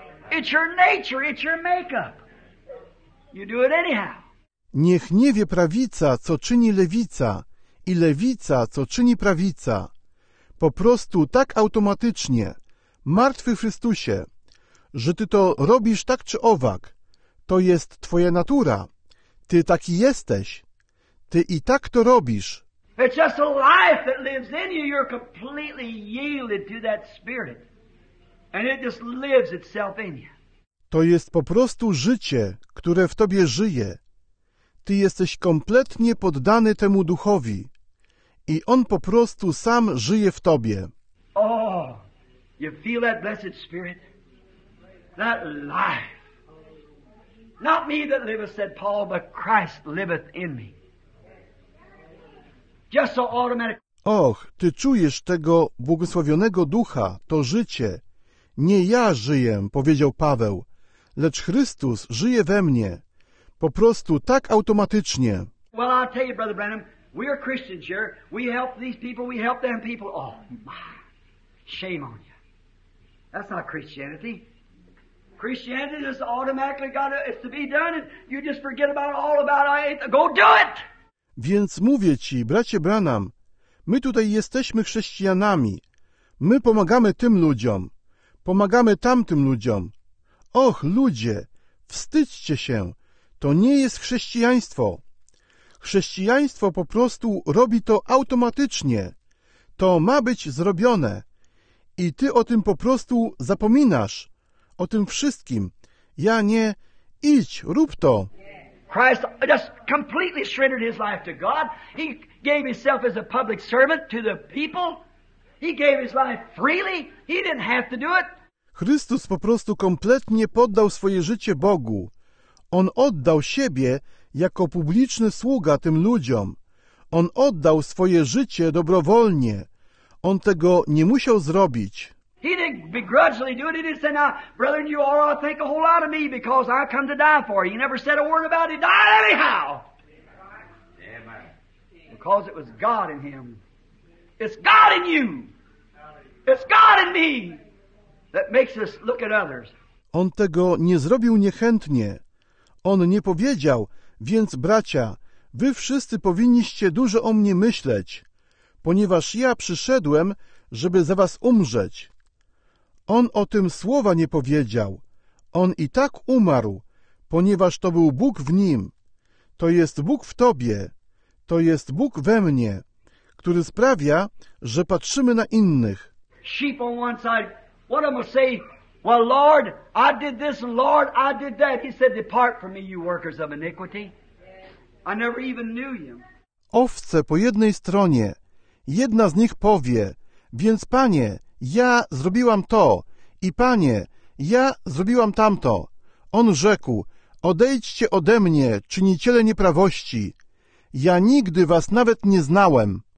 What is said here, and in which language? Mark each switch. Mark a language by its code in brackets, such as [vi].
[en] It's your nature, it's your makeup. You do it anyhow. [pl] Niech nie wie prawica, co czyni lewica, i lewica, co czyni prawica. Po prostu tak automatycznie. Martwy Chrystusie, że Ty to robisz tak czy owak, to jest Twoja natura. Ty taki jesteś. Ty i tak to robisz. [en] It's just a life that lives in you. You're completely yielded to that spirit. And it just lives itself in you. [pl] To jest po prostu życie, które w Tobie żyje. Ty jesteś kompletnie poddany temu duchowi. I on po prostu sam żyje w Tobie. [en] Oh, you feel that blessed spirit? That life. Not me that liveth, said Paul, but Christ liveth in me. Just so automatic. [pl] Och, ty czujesz tego błogosławionego ducha, to życie. Nie ja żyję, powiedział Paweł, lecz Chrystus żyje we mnie. Po prostu tak automatycznie. [en] Well, I'll tell you, Brother Branham, we are Christians here. We help these people, we help them people. Oh, my. Shame on you. That's not Christianity. Christianity is automatically got to, it's to be done and you just forget about all about it. Go do it! [pl] Więc mówię ci, bracie Branham, my tutaj jesteśmy chrześcijanami. My pomagamy tym ludziom. Pomagamy tamtym ludziom. Och, ludzie, wstydźcie się. To nie jest chrześcijaństwo. Chrześcijaństwo po prostu robi to automatycznie. To ma być zrobione. I ty o tym po prostu zapominasz. O tym wszystkim. Ja nie. Idź, rób to. [en] Christ just completely surrendered his life to God. He gave himself as a public servant to the people. He gave his life freely. He didn't have to do it. [pl] Chrystus po prostu kompletnie poddał swoje życie Bogu. On oddał siebie jako publiczny sługa tym ludziom. On oddał swoje życie dobrowolnie. On tego nie musiał zrobić. [en] He didn't begrudgingly do it. He didn't say, now, brethren, you all ought to think a whole lot of me because I come to die for you. He never said a word about it. Die anyhow. Amen. Because it was God in him. It's God in you. It's God in me that makes us look at others. [pl] On tego nie zrobił niechętnie. On nie powiedział, więc bracia, wy wszyscy powinniście dużo o mnie myśleć, ponieważ ja przyszedłem, żeby za was umrzeć. On o tym słowa nie powiedział. On i tak umarł, ponieważ to był Bóg w nim. To jest Bóg w tobie. To jest Bóg we mnie, który sprawia, że patrzymy na innych. [en] Sheep on one side, what am I say? Well, Lord, I did this, and Lord, I did that. He said, depart from me, you workers of iniquity. I never even knew you. [pl] Owce po jednej stronie. Jedna z nich powie, więc Panie, ja zrobiłam to i Panie, ja zrobiłam tamto. On rzekł, odejdźcie ode mnie, czyniciele nieprawości. Ja nigdy was nawet nie znałem.